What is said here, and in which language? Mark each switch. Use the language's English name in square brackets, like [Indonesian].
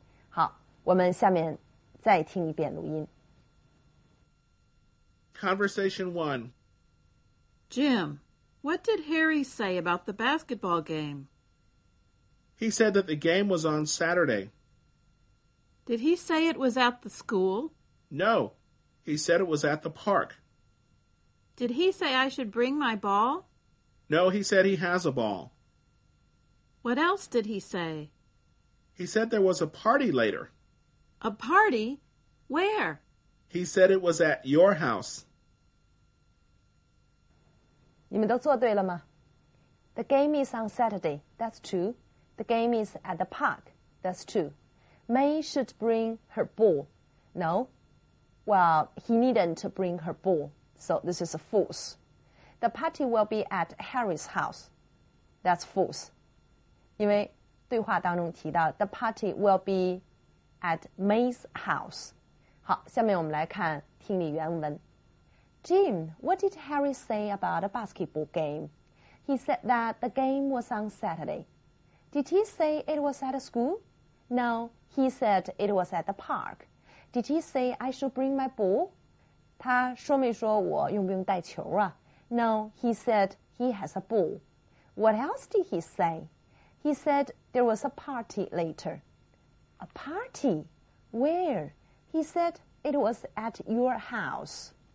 [Chinese] 好，我们下面再听一遍录音。 [English] Conversation 1. Jim, what did Harry say about the basketball game? He said that the game was on Saturday. Did he say it was at the school? No, he said it was at the park. Did he say I should bring my ball? No, he said he has a ball. What else did he say? He said there was a party later. A party? Where? He said it was at your house. [Chinese] 你们都做对了吗? [English] The game is on Saturday. That's true. The game is at the park. That's true. May should bring her ball. No. Well, he needn't bring her ball. So this is a false. The party will be at Harry's house. That's false. [Chinese] 因为对话当中提到 [English] the party will be at May's house. [Chinese] 好，下面我们来看听力原文。 [English] Jim, what did Harry say about a basketball game? He said that the game was on Saturday. Did he say it was at a school? No, he said it was at the park. Did he say I should bring my ball? [Chinese] 他说没说我用不用带球啊? [English] No, he said he has a ball. What else did he say? He said there was a party later. A party? Where? He said it was at your house.